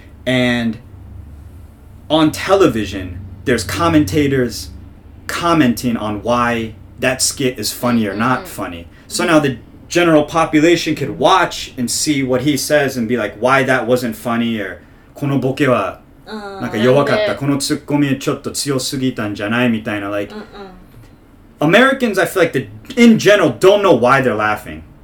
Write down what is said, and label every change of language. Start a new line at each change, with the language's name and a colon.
English: And on television, there's commentators commenting on why... that skit is funny or not mm-hmm. funny. So now the general population could watch and see what he says and be like, why that wasn't funny or
Japanese: このボケはなんか弱かった。このツッコミはちょっと強すぎたんじゃないみたいな。
English: Like, Americans, I feel like, in general, don't know why they're laughing.